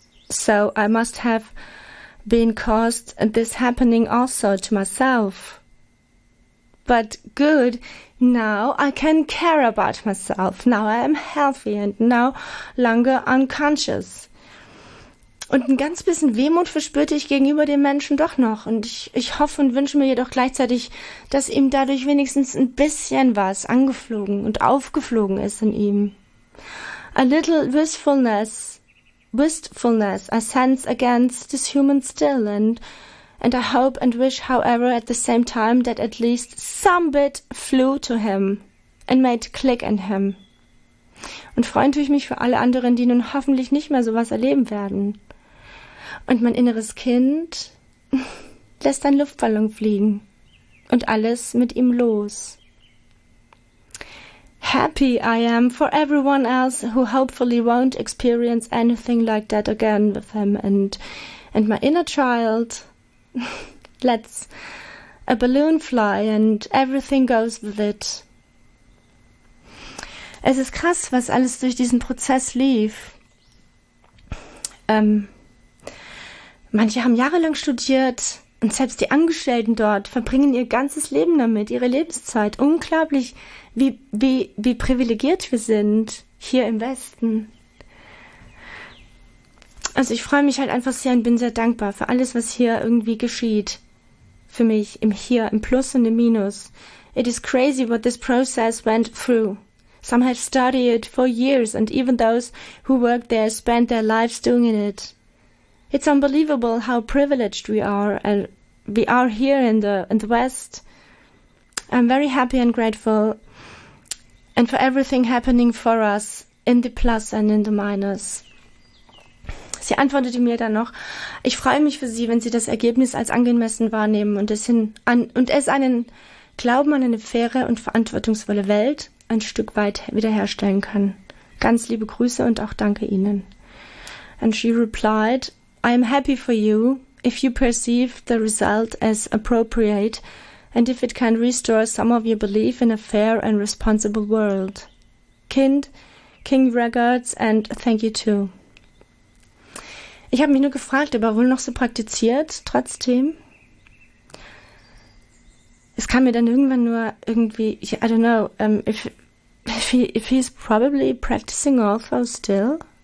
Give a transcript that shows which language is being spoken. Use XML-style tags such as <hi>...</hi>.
<en>So I must have been caused this happening also to myself. But good, now I can care about myself. Now I am healthy and no longer unconscious.</en> <de>Und ein ganz bisschen Wehmut verspürte ich gegenüber dem Menschen doch noch. Und ich hoffe und wünsche mir jedoch gleichzeitig, dass ihm dadurch wenigstens ein bisschen was angeflogen und aufgeflogen ist in ihm.</de> <en>A little wistfulness, I sense against this human still. And I hope and wish, however, at the same time, that at least some bit flew to him and made click in him.</en> <de>Und freuen tue ich mich für alle anderen, die nun hoffentlich nicht mehr sowas erleben werden. Und mein inneres Kind lässt einen Luftballon fliegen und alles mit ihm los.</de> <en>Happy I am for everyone else who hopefully won't experience anything like that again with him. And my inner child lets a balloon fly and everything goes with it.</en> <de>Es ist krass, was alles durch diesen Prozess lief. Manche haben jahrelang studiert und selbst die Angestellten dort verbringen ihr ganzes Leben damit, ihre Lebenszeit. Unglaublich, wie privilegiert wir sind hier im Westen. Also ich freue mich halt einfach sehr und bin sehr dankbar für alles, was hier irgendwie geschieht. Für mich im Hier, im Plus und im Minus.</de> <en>It is crazy what this process went through. Some have studied for years and even those who work there spend their lives doing it. It's unbelievable how privileged we are, and we are here in the West. I'm very happy and grateful, and for everything happening for us in the plus and in the minus.</en> <de>Sie antwortete mir dann noch: Ich freue mich für Sie, wenn Sie das Ergebnis als angemessen wahrnehmen und es einen Glauben an eine faire und verantwortungsvolle Welt ein Stück weit wiederherstellen kann. Ganz liebe Grüße und auch danke Ihnen.</de> <en>And she replied, I am happy for you if you perceive the result as appropriate and if it can restore some of your belief in a fair and responsible world. Kind, King Regards and thank you too.</en> <de>Ich habe mich nur gefragt, ob er wohl noch so praktiziert, trotzdem. Es kam mir dann irgendwann nur irgendwie,</de> <en>if he's probably practicing also still.</en>